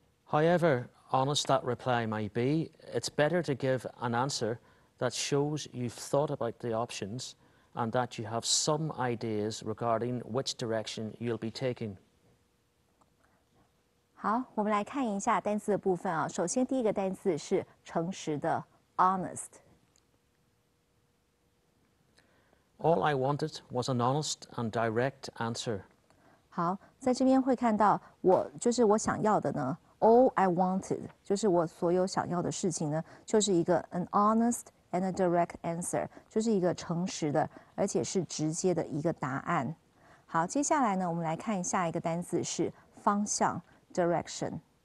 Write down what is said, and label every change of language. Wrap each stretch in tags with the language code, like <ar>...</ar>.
<en>However honest that reply might be, it's better to give an answer that shows you've thought about the options. And that you have some ideas regarding which direction you'll be taking.</en> <zh>好，我们来看一下单词的部分啊。首先，第一个单词是诚实的 ，honest.</zh> <en>All I wanted was an honest and direct answer.</en> <zh>好，在这边会看到我就是我想要的呢。</zh> <en>All I wanted</en> <zh>就是我所有想要的事情呢，就是一个</zh> <en>an honest. And a direct answer</en> <zh>就是一个诚实的，而且是直接的一个答案。好，接下来呢，我们来看下一个单词是方向 direction。</zh>